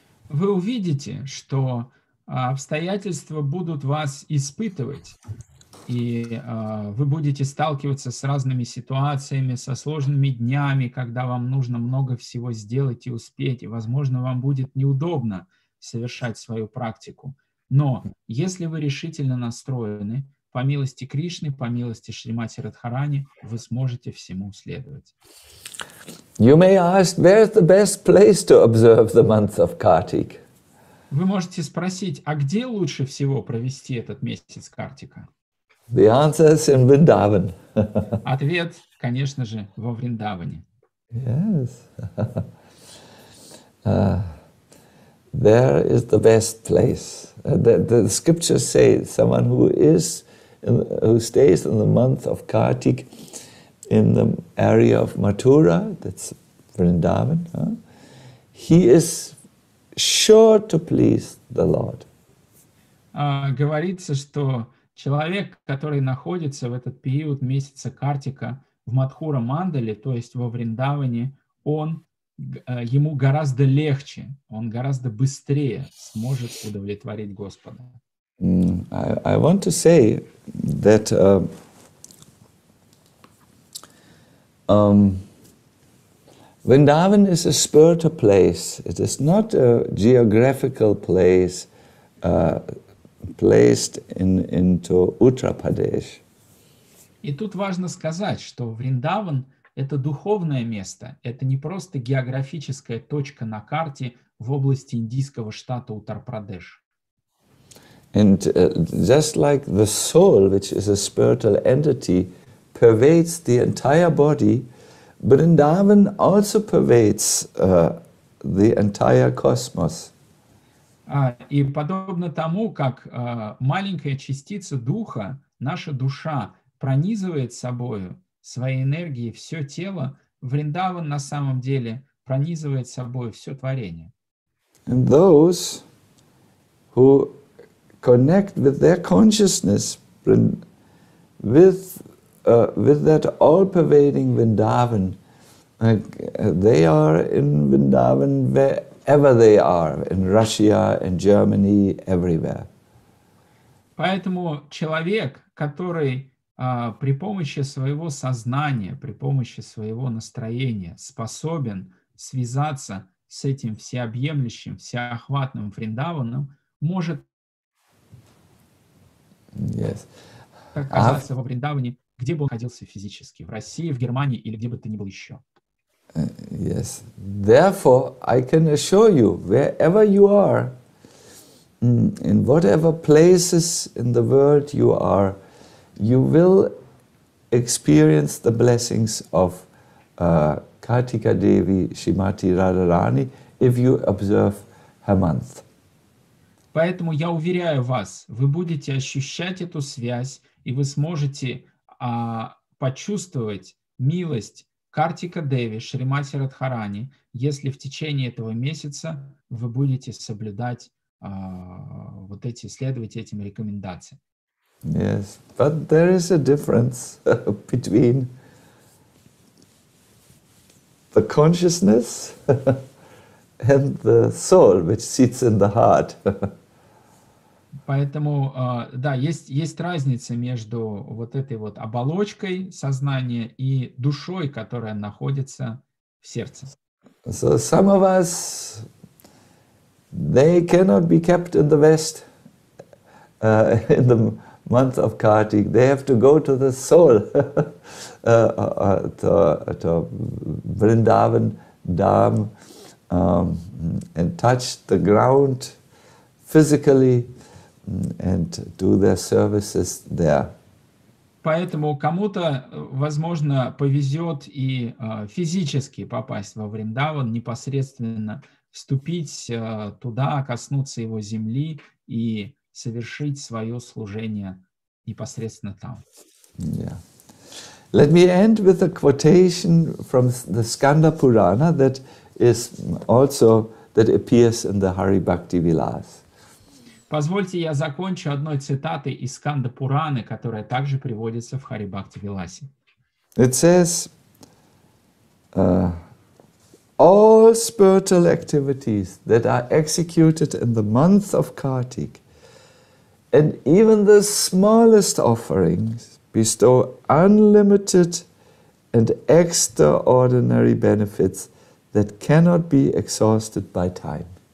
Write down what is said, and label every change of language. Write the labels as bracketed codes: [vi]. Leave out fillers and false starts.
[ru] Вы увидите, что обстоятельства будут вас испытывать, и вы будете сталкиваться с разными ситуациями, со сложными днями, когда вам нужно много всего сделать и успеть, и, возможно, вам будет неудобно совершать свою практику. Но если вы решительно настроены, по милости Кришны, по милости Шримати Радхарани, вы сможете всему следовать. [en] You may ask, where is the best place to observe the month of Kartik? [ru] Вы можете спросить, а где лучше всего провести этот месяц Картика? [en] The answer is in Vrindavan. [ru] Ответ, конечно же, во Вриндаване. [en] Yes. There is the best place. The scriptures say someone who is who stays in the month of Kartik in the area of Mathura, that's Vrindavan, he is sure to please the Lord. [ru] Говорится, что человек, который находится в этот период месяца Картика в Мадхура Мандале, то есть во Вриндаване, он ему гораздо легче, он гораздо быстрее сможет удовлетворить Господа. [en] I want to say that Vrindavan is a spiritual place. It is not a geographical place placed into Uttar Pradesh. [ru] И тут важно сказать, что Вриндаван – это духовное место. Это не просто географическая точка на карте в области индийского штата Уттар-Прадеш. [en] And just like the soul, which is a spiritual entity, pervades the entire body, Vrindavan also pervades the entire cosmos. [ru] И подобно тому, как маленькая частица духа, наша душа пронизывает собою своей энергией все тело, Вриндаван на самом деле пронизывает собой все творение. [en] And those who connect with their consciousness with that all-pervading Vrindavan, they are in Vrindavan wherever they are, in Russia, in Germany, everywhere. [ru] Поэтому человек, который при помощи своего сознания, при помощи своего настроения способен связаться с этим всеобъемлющим, всеохватным Вриндаваном, может оказаться во Вриндаване, где бы он находился физически, в России, в Германии или где бы то ни было еще. [en] Yes. Therefore, I can assure you, wherever you are, in whatever places in the world you are, you will experience the blessings of Kartika Devi, Shrimati Radharani, if you observe her month. [ru] Поэтому я уверяю вас, вы будете ощущать эту связь, и вы сможете почувствовать милость Картика Деви, Шримати Радхарани, если в течение этого месяца вы будете соблюдать вот эти, следовать этим рекомендациям. [en] Yes, but there is a difference between the consciousness and the soul, which sits in the heart. [ru] Поэтому, да, есть разница между вот этой вот оболочкой сознания и душой, которая находится в сердце. [en] So some of us, they cannot be kept in the West in the month of Kartik. They have to go to the soul, to Vrindavan Dham, and touch the ground physically and do their services there. [ru] Поэтому кому-то, возможно, повезет и физически попасть во Вриндаван, непосредственно вступить туда, коснуться его земли и совершить свое служение непосредственно там. [en] Yeah. Let me end with a quotation from the Skanda Purana that is also that appears in the Hari Bhakti Vilas. [ru] Позвольте, я закончу одной цитатой из Сканда Пураны, которая также приводится в Хари Бхакти Виласе. [en] It says, all spiritual activities that are executed in the month of Kartik, and even the smallest offerings, bestow unlimited and extraordinary benefits that cannot be exhausted by time.